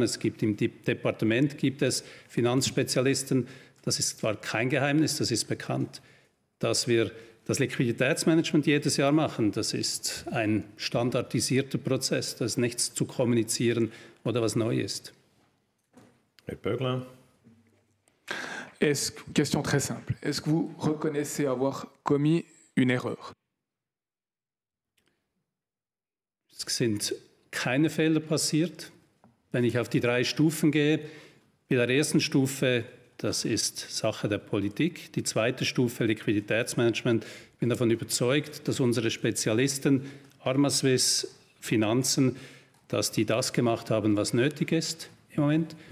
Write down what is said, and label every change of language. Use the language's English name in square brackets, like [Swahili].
[German] Es gibt im Departement gibt es Finanzspezialisten. Das ist zwar kein Geheimnis, das ist bekannt, dass wir das Liquiditätsmanagement jedes Jahr machen. Das ist ein standardisierter Prozess. Das ist nichts zu kommunizieren oder was neu ist. Herr Böglin. [French] Question très simple. Est-ce que vous reconnaissez avoir commis une erreur? [German] Es sind keine Fehler passiert. Wenn ich auf die drei Stufen gehe, bei der ersten Stufe, das ist Sache der Politik. Die zweite Stufe, Liquiditätsmanagement, ich bin davon überzeugt, dass unsere Spezialisten, Armaswiss, Finanzen, dass die das gemacht haben, was nötig ist im Moment.